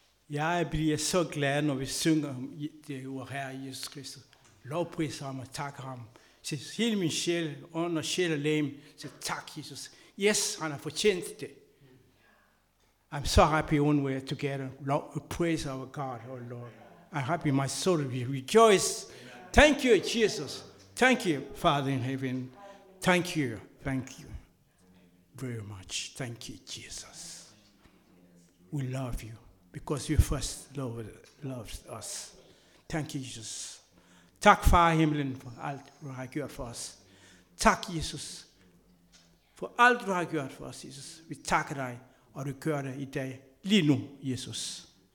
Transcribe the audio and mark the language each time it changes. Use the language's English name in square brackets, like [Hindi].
[Danish] Jeg bliver så glad, når vi synger om det ord her i Jesus Kristus. Lovpris ham og tak ham. Så hele min sjæl, ånd og sjæl og læm, så tak Jesus. Yes, han har fortjent det. [English] I'm so happy when we're together. Lord, praise our God, oh Lord. I'm happy my soul will rejoice. Thank you, Jesus. Thank you, Father in heaven. Thank you. Thank you very much. Thank you, Jesus. We love you because you first loved us. Thank you, Jesus. Thank you, Father Himmelen, for all you have done for us. Thank you, Jesus, for all you have done for us, Jesus. We thank you. [Danish] Og du gør det i dag, lige nu, Jesus.